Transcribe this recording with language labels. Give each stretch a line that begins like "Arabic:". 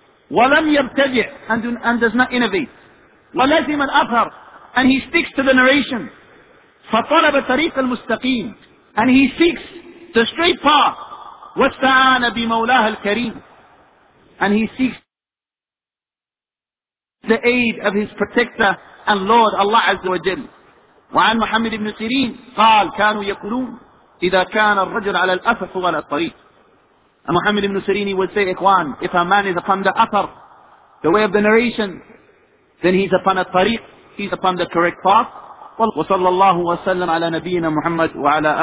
Arabic: وَلَمْ يَبْتَدِعْ,
English: and does not innovate.
Arabic: وَلَزِمَ الْأَثَرِ,
English: and he sticks to the narration.
Arabic: فَطَلَبَ طَرِيقَ الْمُسْتَقِيمِ,
English: and he seeks the straight path.
Arabic: وَاسْتَعَانَ بِمَوْلَاهَ الْكَرِيمِ,
English: and he seeks the aid of his protector and Lord Allah Azza wa Jal.
Arabic: وعن محمد بن سيرين قال كانوا يقولون إذا كان الرجل على الأثر فهو على الطريق.
English: And محمد بن سيرين would say, Ikhwan, if a man is upon the athar, the way of the narration, then he's upon the tariq, he's upon the correct path.
Arabic: وصلى الله وسلم على نبينا محمد وعلى آله.